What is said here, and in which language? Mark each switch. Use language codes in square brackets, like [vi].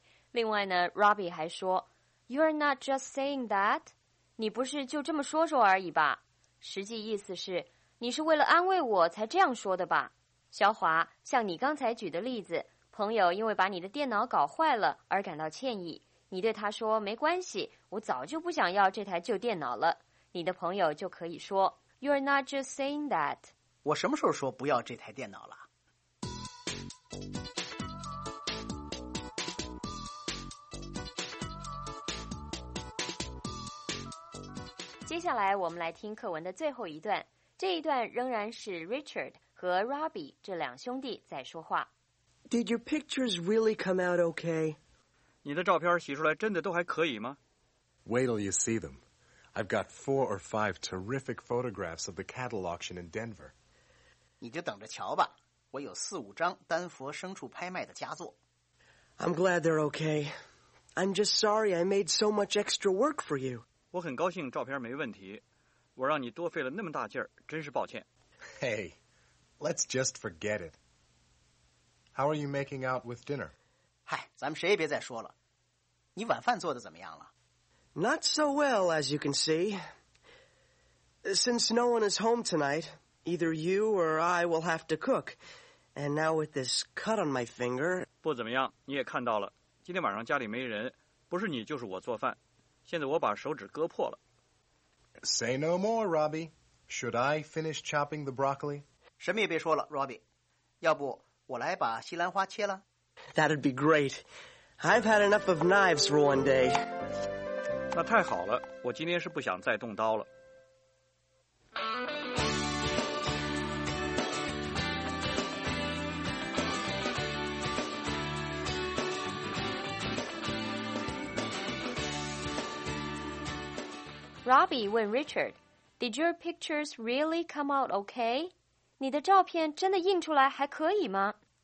[zh] 另外呢 [en] ,Robbie 还说 You're not just saying that. [zh] 你不是就这么说说而已吧。实际意思是你是为了安慰我才这样说的吧。小华，像你刚才举的例子，朋友因为把你的电脑搞坏了而感到歉意。你对他说没关系，我早就不想要这台旧电脑了。你的朋友就可以说 [en] You're not just saying that. [zh] 我什么时候说不要这台电脑了？接下来我们来听课文的最后一段，这一段仍然是 Richard 和 Robbie 这两兄弟在说话。 [en] Did your pictures really come out okay? [zh] 你的照片洗出来真的都还可以吗？ [en] Wait till you see them. I've got 4 or 5 terrific photographs of the cattle auction in Denver. [zh] 你就等着瞧吧，我有4-5张丹佛牲畜拍卖的佳作。 [en] I'm glad they're okay. I'm just sorry I made so much extra work for you. [zh] 我很高兴照片没问题，我让你多费了那么大劲儿，真是抱歉。 [en] Hey, let's just forget it. How are you making out with dinner? [zh] 嗨，咱们谁也别再说了。你晚饭做得怎么样了？ [en] Not so well, as you can see. Since no one is home tonight, either you or I will have to cook. And now with this cut on my finger... [zh] 不怎么样，你也看到了，今天晚上家里没人，不是你就是我做饭。现在我把手指割破了。 [en] Say no more, Robbie. Should I finish chopping the broccoli? [zh] 什么也别说了 ,Robbie. 要不我来把西兰花切了？ [en] That'd be great. I've had enough of knives for one day. [zh] 那太好了，我今天是不想再动刀了。 [en] Robbie 问 Richard, Did your pictures really come out okay? [zh] 你的照片真的印出来还可以吗？